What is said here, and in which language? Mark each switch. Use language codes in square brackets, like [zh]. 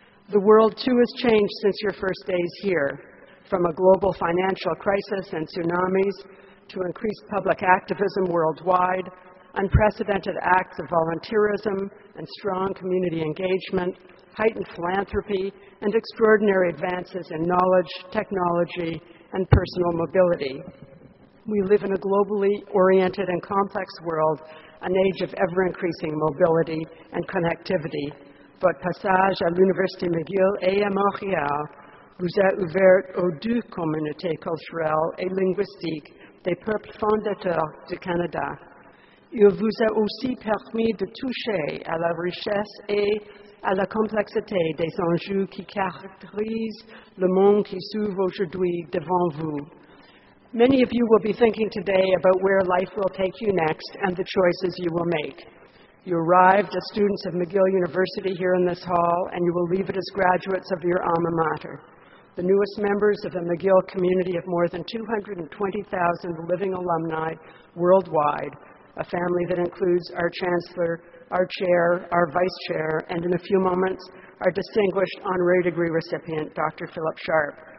[en] The world, too, has changed since your first days here, from a global financial crisis and tsunamis to increased public activism worldwide, unprecedented acts of volunteerism and strong community engagement, heightened philanthropy, and extraordinary advances in knowledge, technology, and personal mobility. We live in a globally oriented and complex world, an age of ever-increasing mobility and connectivity. [fr] Votre passage à l'Université McGill et à Montréal vous a ouvert aux deux communautés culturelles et linguistiques des peuples fondateurs du Canada. Il vous a aussi permis de toucher à la richesse et à la complexité des enjeux qui caractérisent le monde qui s'ouvre aujourd'hui devant vous. [en] Many of you will be thinking today about where life will take you next and the choices you will make. You arrived as students of McGill University here in this hall, and you will leave it as graduates of your alma mater. The newest members of the McGill community of more than 220,000 living alumni worldwide, a family that includes our chancellor, our chair, our vice chair, and in a few moments, our distinguished honorary degree recipient, Dr. Philip Sharp.